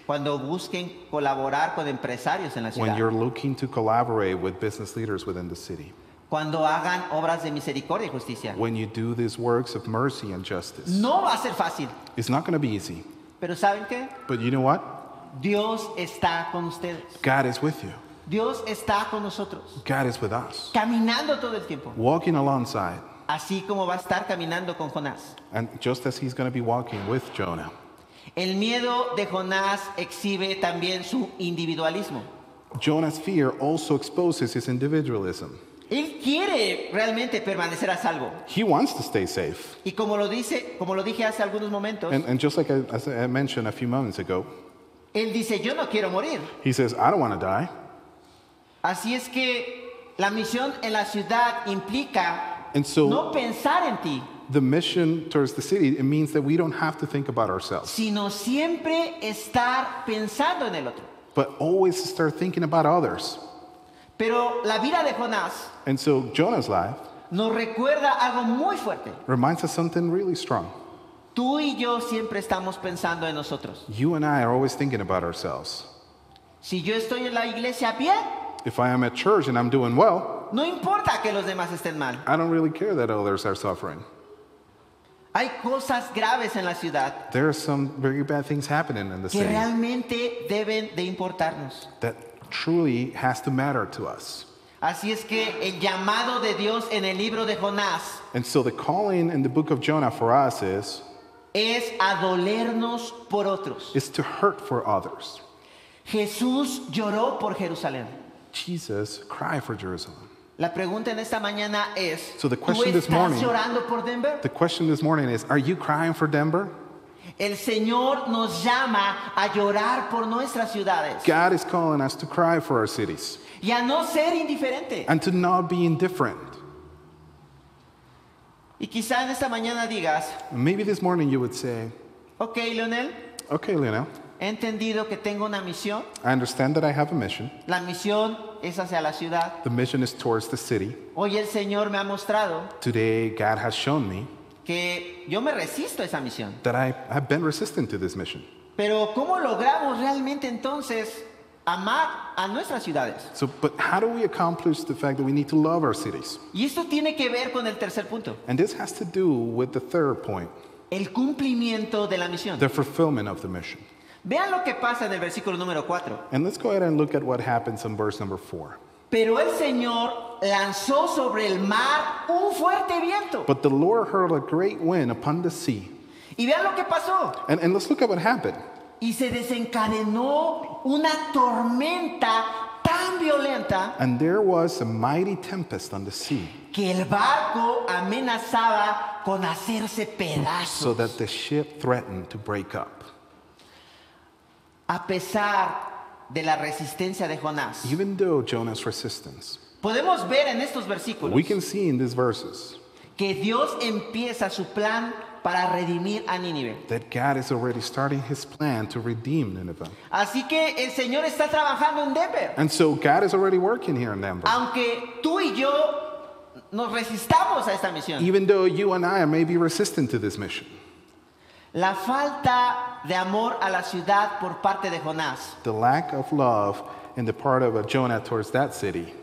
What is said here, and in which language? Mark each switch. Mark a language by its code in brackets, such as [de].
[es] Cuando busquen colaborar con empresarios en la ciudad. [en] When you're looking to collaborate with business leaders within the city. [es] Cuando hagan obras de misericordia y justicia. [en] When you do these works of mercy and justice. [es] No va a ser fácil. [en] It's not going to be easy. [es] Pero ¿saben qué? [en] But you know what? [es] Dios está con ustedes. [en] God is with you. [es] Dios está con nosotros. [en] God is with us. [es] Caminando todo el tiempo. [en] Walking alongside. [es] Así como va a estar caminando con Jonás. [en] And just as he's going to be walking with Jonah. [es] El miedo de Jonás exhibe también su individualismo. [en] Jonah's fear also exposes his individualism. [es] Él quiere realmente permanecer a salvo. [en] He wants to stay safe. [es] Y como lo dice, como lo dije hace algunos momentos. [en] And just like I mentioned a few moments ago. [es] Él dice, yo no quiero morir. [en] He says, I don't want to die. [es] Así es que la misión en la ciudad implica no pensar en ti. [en] The mission towards the city, it means that we don't have to think about ourselves. [es] Sino siempre estar pensando en el otro. [en] But always start thinking about others. [es] Pero la vida de Jonás, [en] and so Jonah's life, [es] nos recuerda algo muy fuerte. [en] Reminds us something really strong. [es] Tú y yo siempre estamos pensando en nosotros. [en] You and I are always thinking about ourselves. [es] Si yo estoy en la iglesia bien, [en] if I am at church and I'm doing well, [es] no importa que los demás estén mal. [en] I don't really care that others are suffering. [es] Hay cosas graves en la ciudad. [en] There are some very bad things happening in the [es] que [en] city. [es] Realmente deben de importarnos. [en] That truly has to matter to us. [es] Así es que el llamado de Dios en el libro de Jonás. [en] And so the calling in the book of Jonah for us is. [es] Es a dolernos por otros. [en] Is to hurt for others. [es] Jesús lloró por Jerusalén. [en] Jesus cried for Jerusalem. [es] La pregunta en esta mañana es. [en] So the question this morning. [es] ¿Estás llorando por Denver? [en] The question this morning is, are you crying for Denver? [es] El Señor nos llama a llorar por nuestras ciudades. [en] God is calling us to cry for our cities. [es] Y a no ser indiferente. [en] And to not be indifferent. [es] Y quizá en esta mañana digas. [en] Maybe this morning you would say. [es] Okay, Lionel. [en] Okay, Lionel. [es] He entendido que tengo una misión. [en] I understand that I have a mission. [es] La misión es hacia la ciudad. [en] The mission is towards the city. [es] Hoy el Señor me ha mostrado. [en] Today God has shown me. [es] Que yo me resisto a esa misión. [en] That I have been resistant to this mission. [es] Pero ¿cómo logramos realmente entonces amar a nuestras ciudades? [en] So, but how do we accomplish the fact that we need to love our cities? [es] Y esto tiene que ver con el tercer punto. [en] And this has to do with the third point. [es] El cumplimiento de la misión. [en] The fulfillment of the mission. [es] Vean lo que pasa en el versículo número 4. [en] And let's go ahead and look at what happens in verse number 4. [es] Pero el Señor lanzó sobre el mar un fuerte viento. [en] But the Lord hurled a great wind upon the sea. [es] Y vean lo que pasó. [en] And let's look at what happened. [es] Y se desencadenó una tormenta tan violenta. [en] And there was a mighty tempest on the sea. [es] Que el barco amenazaba con hacerse pedazos. [en] So that the ship threatened to break up. [es] A pesar de la resistencia de Jonás. [en] Even though Jonah's resistance. [es] Podemos ver en estos versículos. [en] We can see in these verses. [es] Que Dios empieza su plan para redimir a Nínive. [en] That God is already starting his plan to redeem Nineveh. [es] Así que el Señor está trabajando en Denver. [en] And so God is already working here in Denver. [es] Aunque tú y yo nos resistamos a esta misión. [en] Even though you and I may be resistant to this mission. [es] La falta de amor a la ciudad por parte de Jonás. [en] The lack of love in the part of Jonah towards that city.